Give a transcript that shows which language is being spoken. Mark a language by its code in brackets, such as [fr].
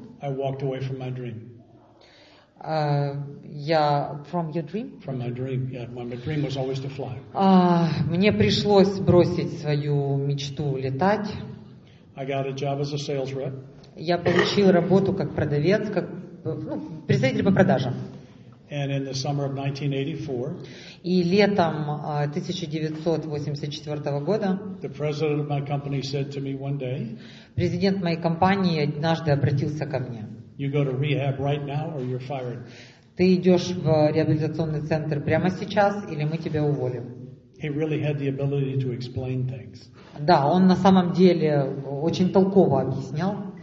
[en] I walked away from my dream. From your dream? From my dream. Yeah, my dream was always to fly. [ru] Мне пришлось бросить свою мечту летать. [en] I got a job as a sales rep. [ru] Я получил работу как продавец, как представитель по продажам. [en] And in the summer of 1984, [ru] и летом 1984 года, [en] the president of my company said to me one day, [ru] президент моей компании однажды обратился ко мне. [en] You go to rehab right now or you're fired. [ru] Ты идешь в реабилитационный центр прямо сейчас или мы тебя уволим. [en] He really had the ability to explain things. [ru] Да, он на самом деле очень толково объяснял.